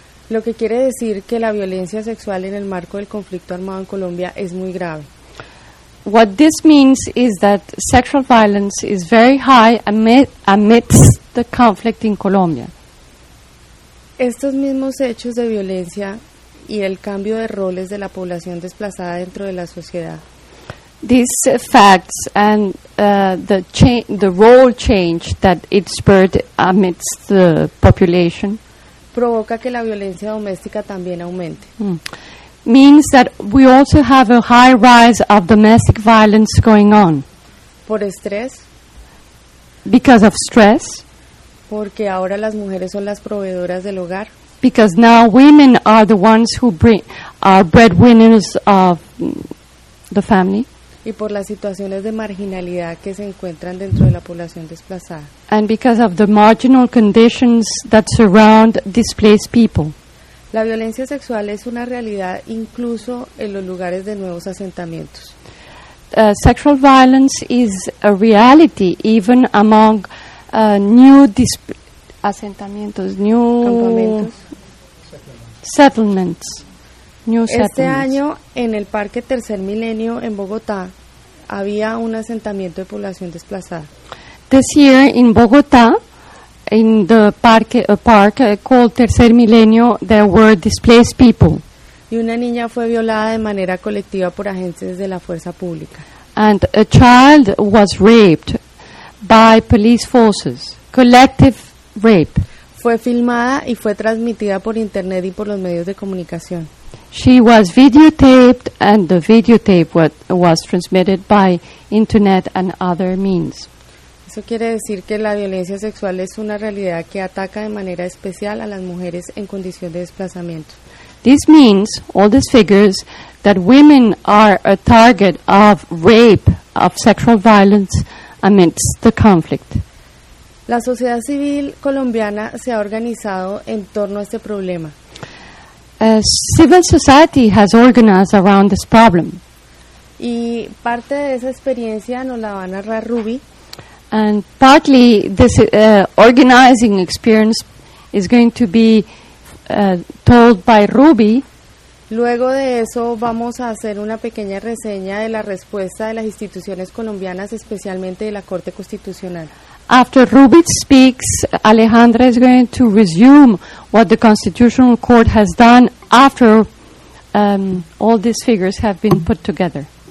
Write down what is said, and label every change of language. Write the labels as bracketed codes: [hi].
[es] Lo que quiere decir que la violencia sexual en el marco del conflicto armado en Colombia es muy grave. [en] What this means is that sexual violence is very high amidst the conflict in Colombia. [es] Estos mismos hechos de violencia y el cambio de roles de la población desplazada dentro de la sociedad. [en] These facts and the role change that it spurred amidst the population [es] provoca que la violencia doméstica también aumente. [en] Means that we also have a high rise of domestic violence going on. [es] Por estrés. [en] Because of stress. [es] Porque ahora las mujeres son las proveedoras del hogar. [en] Because now women are the ones who are breadwinners of the family. [es] Y por las situaciones de marginalidad que se encuentran dentro de la población desplazada. [en] And because of the marginal conditions that surround displaced people. [es] La violencia sexual es una realidad incluso en los lugares de nuevos asentamientos. [en] Sexual violence is a reality even among new asentamientos, new settlements. [es] Este año en el Parque Tercer Milenio en Bogotá había un asentamiento de población desplazada. [en] This year in Bogotá, in the park called Tercer Milenio, there were displaced people. [es] Y una niña fue violada de manera colectiva por agentes de la fuerza pública. [en] And a child was raped by police forces. Collective rape. [es] Fue filmada y fue transmitida por internet y por los medios de comunicación. [en] She was videotaped and the videotape was transmitted by internet and other means. [es] Eso quiere decir que la violencia sexual es una realidad que ataca de manera especial a las mujeres en condición de desplazamiento. [en] This means, all these figures, that women are a target of rape, of sexual violence amidst the conflict. [es] La sociedad civil colombiana se ha organizado en torno a este problema. [en] Civil society has organized around this problem. [es] Y parte de esa experiencia nos la va a narrar Ruby. [en] And partly this organizing experience is going to be told by Ruby. [es] Luego de eso vamos a hacer una pequeña reseña de la respuesta de las instituciones colombianas, especialmente de la Corte Constitucional. [en] After Ruby speaks, Alejandra is going to resume what the Constitutional Court has done after all these figures have been put together.